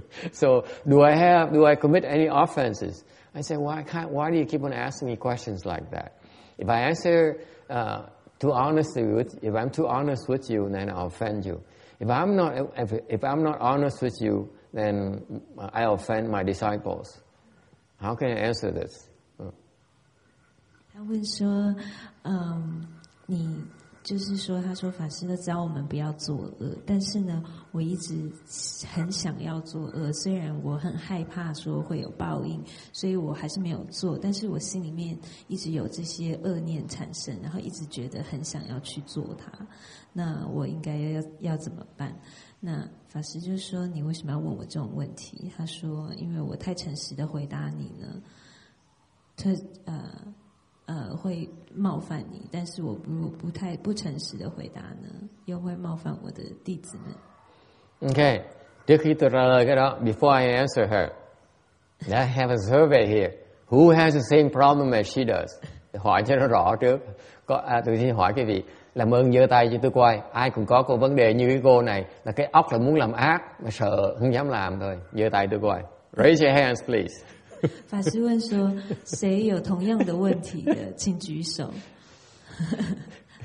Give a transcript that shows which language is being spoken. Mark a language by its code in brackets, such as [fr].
[en] So do I commit any offenses? I said, why do you keep on asking me questions like that? If I answer if I'm too honest with you, then I'll offend you. If I'm not honest with you, then I offend my disciples. How can I answer this? [zh] 他说法师都教我们不要作恶，但是呢，我一直很想要作恶，虽然我很害怕说会有报应，所以我还是没有做，但是我心里面一直有这些恶念产生，然后一直觉得很想要去做它，那我应该要怎么办？那法师就说，你为什么要问我这种问题？他说，因为我太诚实的回答你呢，会冒犯你，但是我不诚实的回答呢，又会冒犯我的弟子们。 [en] Okay, [ms] dia kita ralat kan? [en] Before I answer her, I have a survey here. Who has the same problem as she does? [vi] Hỏi cho nó rõ trước. Có, tôi xin hỏi quý vị, làm ơn giơ tay cho tôi coi. Ai cũng có cô vấn đề như cái cô này, là cái óc là muốn làm ác mà sợ không dám làm thôi. Giơ tay tôi coi. [en] Raise your hands, please. [zh] 法师问说：“谁有同样的问题的，请举手。”